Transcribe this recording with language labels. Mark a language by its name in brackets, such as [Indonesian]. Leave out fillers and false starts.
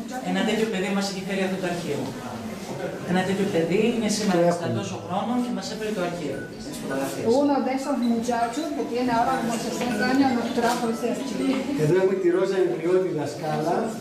[Greek] Ένα τέτοιο παιδί μας είχε φέρει από το αρχείο. Ένα τέτοιο παιδί είναι σήμερα 60 χρόνων και μας έφερε το αρχείο της φωτογραφίας. [Spanish] Uno de esos muchachos que tiene ahora como 60 años nos trajo ese archivo. [Greek] Εδώ έχουμε τη Ρόζα Ιβριώτη δασκάλα.